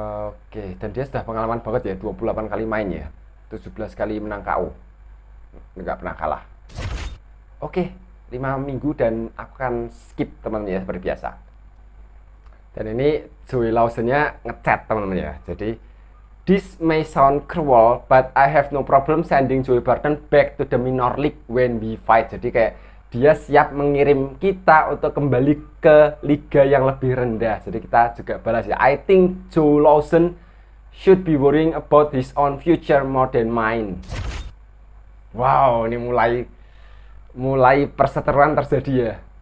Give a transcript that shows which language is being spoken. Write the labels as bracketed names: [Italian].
[Indonesian] Oke, dan dia sudah pengalaman banget ya, 28 kali main ya, 17 kali menang KO, nggak pernah kalah. Oke, 5 minggu dan aku akan skip teman-teman ya, seperti biasa. Dan ini Joey Lawson-nya ngechat teman-teman ya. [English] Jadi, this may sound cruel, but I have no problem sending Joey Barton back to the minor league when we fight. [Indonesian] Jadi kayak dia siap mengirim kita untuk kembali ke liga yang lebih rendah. Jadi kita juga balas ya. [English] I think Joey Lawson should be worrying about his own future more than mine. [Indonesian] Wow, ini mulai perseteruan terjadi ya.